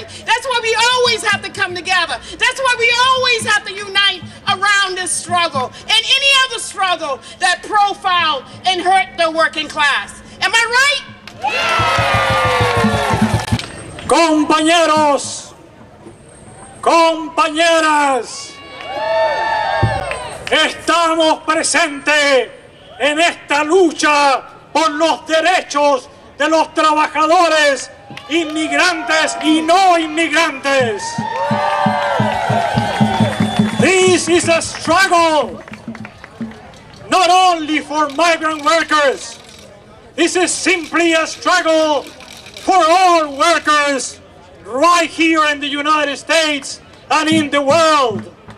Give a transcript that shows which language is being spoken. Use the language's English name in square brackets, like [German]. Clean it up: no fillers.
[English] That's why we always have to come together. That's why we always have to unite around this struggle and any other struggle that profile and hurt the working class. Am I right? [Spanish] Compañeros, compañeras, estamos presentes en esta lucha por los derechos de los trabajadores, inmigrantes y no inmigrantes. [English] This is a struggle, not only for migrant workers. This is simply a struggle for all workers right here in the United States and in the world.